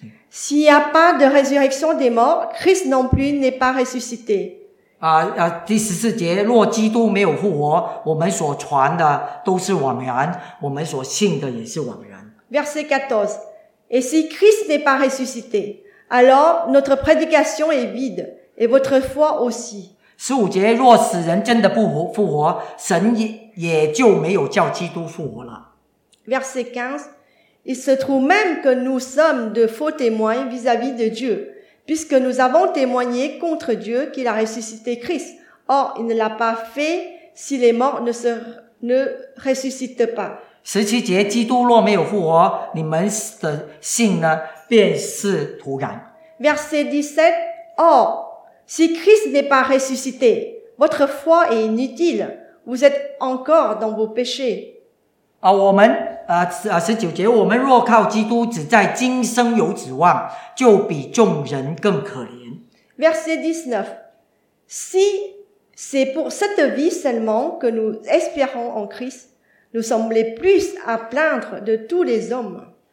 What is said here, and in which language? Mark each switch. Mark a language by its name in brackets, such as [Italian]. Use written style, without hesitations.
[French] S'il n'y a pas de résurrection des morts, Christ non plus n'est pas ressuscité. [Chinese] 第十四节，若基督没有复活，我们所传的都是枉然，我们所信的也是枉然。 [French] Verset 14. Et si Christ n'est pas ressuscité, alors notre prédication est vide, et votre foi aussi. [Chinese] 十五节，若死人真的不复活，神也就没有叫基督复活了。 [French] Verset 15, il se trouve même que nous sommes de faux témoins vis-à-vis de Dieu, puisque nous avons témoigné contre Dieu qu'il a ressuscité Christ. Or, il ne l'a pas fait si les morts ne ressuscitent pas. [Chinese] 十七节，基督若没有复活，你们的信呢，便是徒然。 [French] Verset 17, or,Si Christ n'est pas ressuscité, votre foi est inutile. Vous êtes encore dans vos péchés. [Chinese] 我们十九节，我们若靠基督只在今生有指望，就比众人更可怜。 [French] Verset 19. Si c'est pour cette vie seulement que nous espérons en Christ, nous sommes les plus à plaindre de tous les hommes.